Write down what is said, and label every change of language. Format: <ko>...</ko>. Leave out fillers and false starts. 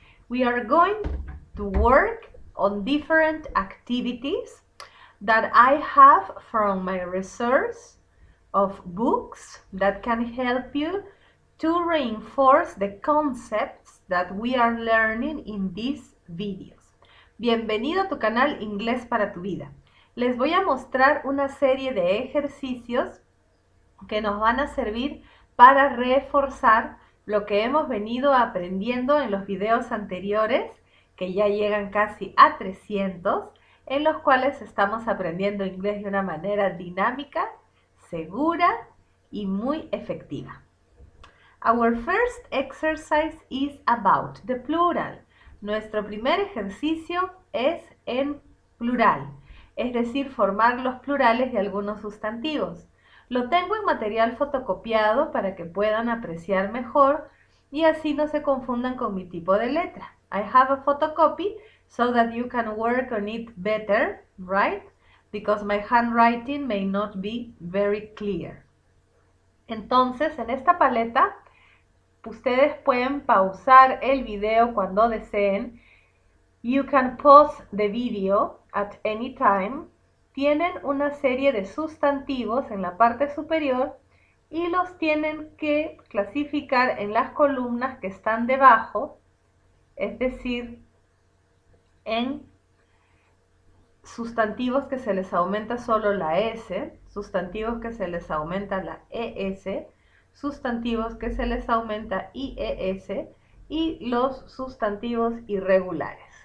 <en>We are going to work on different activities that I have from my resource of books that can help you to reinforce the concepts that we are learning in these videos.</en> <es>Bienvenido a tu canal Inglés para tu vida. Les voy a mostrar una serie de ejercicios que nos van a servir para reforzar lo que hemos venido aprendiendo en los videos anteriores, que ya llegan casi a 300, en los cuales estamos aprendiendo inglés de una manera dinámica, segura y muy efectiva.</es> <en>Our first exercise is about the plural.</en> <es>Nuestro primer ejercicio es en plural, es decir, formar los plurales de algunos sustantivos. Lo tengo en material fotocopiado para que puedan apreciar mejor y así no se confundan con mi tipo de letra.</es> <en>I have a photocopy so that you can work on it better, right? Because my handwriting may not be very clear.</en> <es>Entonces, en esta paleta, ustedes pueden pausar el video cuando deseen.</es> <en>You can pause the video at any time.</en> <es>Tienen una serie de sustantivos en la parte superior y los tienen que clasificar en las columnas que están debajo, es decir, en sustantivos que se les aumenta solo la S, sustantivos que se les aumenta la ES, sustantivos que se les aumenta IES y los sustantivos irregulares.</es>